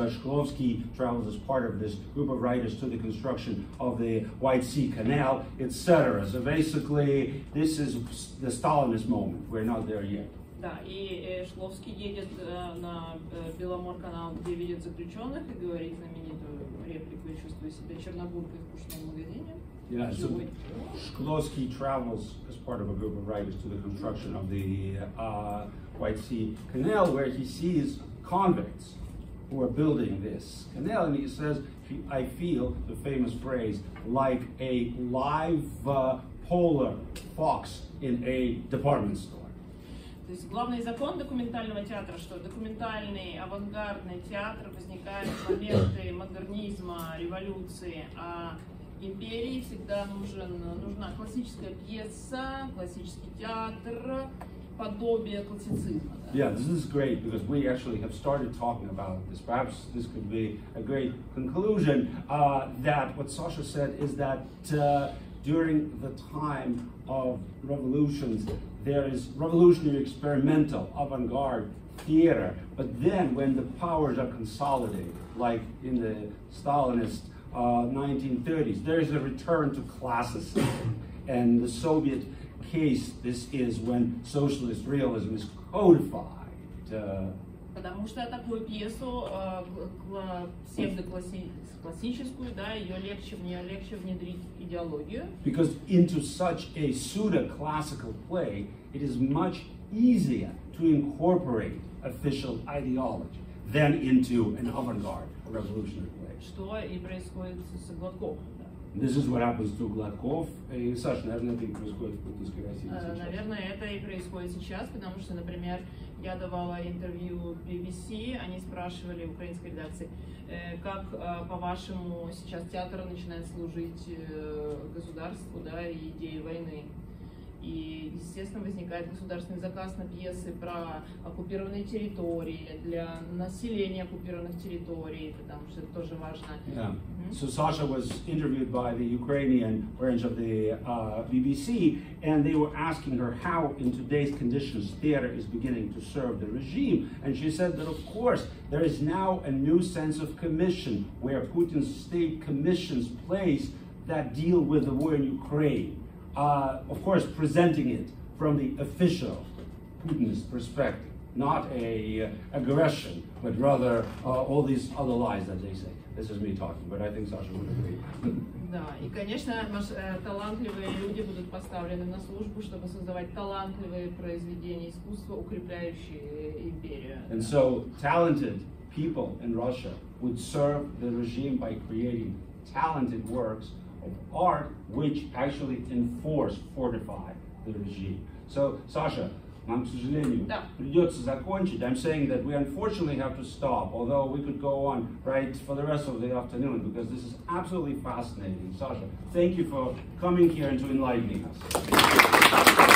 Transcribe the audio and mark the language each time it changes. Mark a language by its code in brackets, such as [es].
[en] Shklovsky travels as part of this group of writers to the construction of the White Sea Canal, etc. So basically, this is the Stalinist moment. We're not there yet. [ru] Да, и Шкловский едет на Беломорканал, где видит заключенных, и говорит знаменитую реплику, и чувствует себя чернобуркой в пушном магазине. [en] Yeah, so Shklovsky travels as part of a group of writers to the construction of the White Sea Canal, where he sees convicts who are building this canal, and he says, I feel, the famous phrase, like a live polar fox in a department store. [ru] То есть главный закон документального театра, что документальный авангардный театр возникает в моменты модернизма, революции, а империи всегда нужна классическая пьеса, классический театр, подобие классицизма. Да? [en] Yeah, this is great because we actually have started talking about this. Perhaps this could be a great conclusion that what Sasha said is that during the time of revolutions, there is revolutionary experimental avant-garde theater, but then when the powers are consolidated, like in the Stalinist 1930s, there is a return to classicism. And the Soviet case, this is when socialist realism is codified. [ru] Потому что такую пьесу, псевдоклассическую, да, ее легче, в нее легче внедрить идеологию. [en] Because into such a pseudo-classical play, it is much easier to incorporate official ideology than into an avant-garde revolutionary play. [ru] Что и происходит с Гладков. [en] This is what happens to Gladkov. [ru] Саша, наверное, это и происходит в путинской России сейчас. Наверное, это и происходит сейчас, потому что, например, я давала интервью BBC, они спрашивали в украинской редакции, как, по-вашему, сейчас театр начинает служить государству, да, и идее войны. И, естественно, возникает государственный заказ на пьесы про оккупированные территории, для населения оккупированных территорий, потому что это тоже важно. [en] Yeah. Mm-hmm. So Sasha was interviewed by the Ukrainian branch of the BBC, and they were asking her how, in today's conditions, theater is beginning to serve the regime. And she said that, of course, there is now a new sense of commission, where Putin's state commissions plays that deal with the war in Ukraine. Of course, presenting it from the official Putinist perspective, not an aggression, but rather all these other lies that they say. This is me talking, but I think Sasha would agree. [ru] Да, и, конечно, талантливые люди будут поставлены на службу, чтобы создавать талантливые произведения искусства, укрепляющие империю. [en] And so, talented people in Russia would serve the regime by creating talented works of art, which actually enforce, fortify the regime. [ru] So, Sasha, нам, к сожалению, придется закончить. [en] I'm saying that we unfortunately have to stop, although we could go on right for the rest of the afternoon, because this is absolutely fascinating. Sasha, thank you for coming here and to enlightening us.